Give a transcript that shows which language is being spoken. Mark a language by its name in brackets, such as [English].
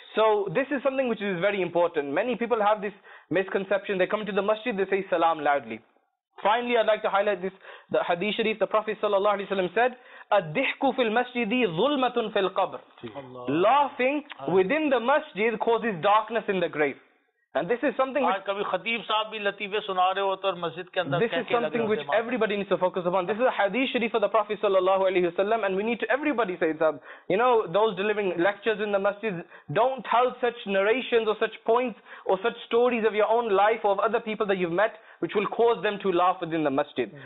[English] So this is something which is very important. Many people have this misconception. They come to the masjid, they say salam loudly. Finally, I'd like to highlight this, the Hadith Sharif, the Prophet Sallallahu Alaihi Wasallam said, [Arabic] الدِّحْكُ فِي الْمَسْجِدِ ظُلْمَةٌ فِي الْقَبْرِ. [English] Laughing within the masjid causes darkness in the grave. And this is something which... [Urdu] کبھی خطیب صاحب بھی لطیفے سنا رہے ہو تو مسجد کے اندر... [English] This is something which everybody needs to focus upon. This is a hadith sharif of the Prophet sallallahu alayhi wa sallam, and we need to, everybody say it, Sahab. You know, those delivering lectures in the masjid, don't tell such narrations or such points or such stories of your own life or of other people that you've met, which will cause them to laugh within the masjid.